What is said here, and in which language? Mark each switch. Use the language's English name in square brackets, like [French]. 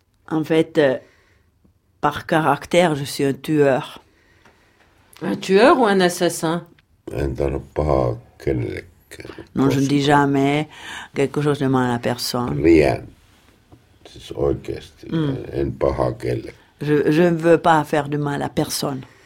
[French] En fait, par caractère, je suis un tueur. Un tueur ou un assassin? [Finnish] En tarvitse pahaa kenellekään. [French] Non, je ne dis jamais quelque chose de mal à la personne. Rien. [Finnish] Siis oikeesti. En pahaa kenellekään. [French] Je ne veux pas faire du mal à personne.